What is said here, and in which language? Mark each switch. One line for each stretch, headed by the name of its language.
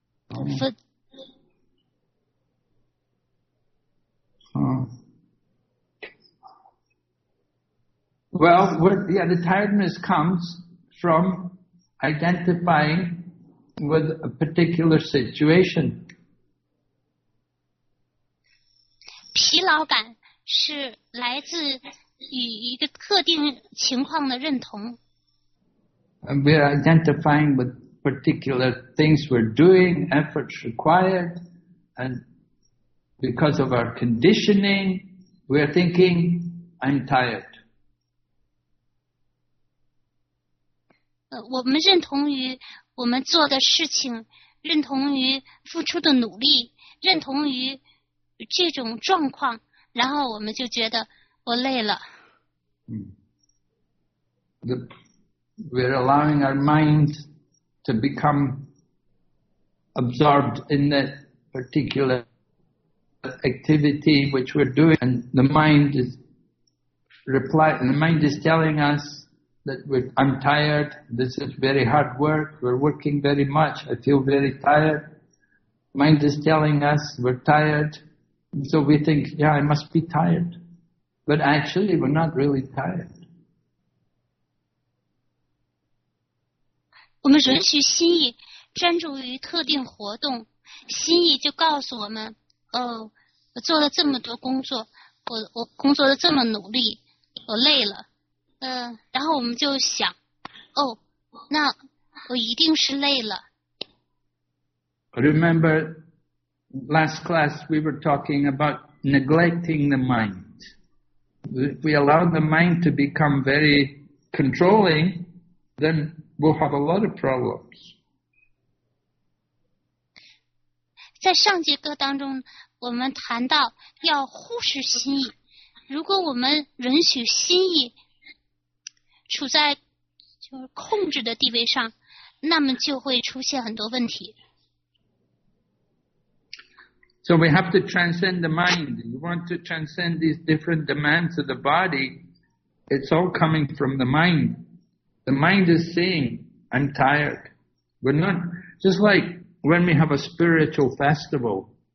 English: Well, the tiredness comes from identifying with a particular situation.
Chinese: 疲劳感是来自与一个特定情况的认同。
English: And we are identifying with particular things we're doing, efforts required, and because of our conditioning, we are thinking, I'm tired.
Chinese: 我们认同于我们做的事情，认同于付出的努力，认同于这种状况，然后我们就觉得我累了。
English: We're allowing our mind to become absorbed in that particular activity which we're doing, and the mind is telling us. That I'm tired, this is very hard work, we're working very much, I feel very tired. Mind is telling us we're tired, so we think, yeah, I must be tired. But actually, we're not really tired.
Chinese: 我们允许心意专注于特定活动，心意就告诉我们，我做了这么多工作，我工作了这么努力，我累了。然后我们就想，哦，那我一定是累了。
English: Remember last class we were talking about neglecting the mind. If we allow the mind to become very controlling, then we'll have a lot of problems.
Chinese: 在上节课当中，我们谈到要忽视心意。如果我们允许心意处在就是控制的地位上，那么就会出现很多问题。
English: So we have to transcend the mind. You want to transcend these different demands of the body. It's all coming from the mind. The mind is saying, and tired. We're not, just like when we have a spiritual festival.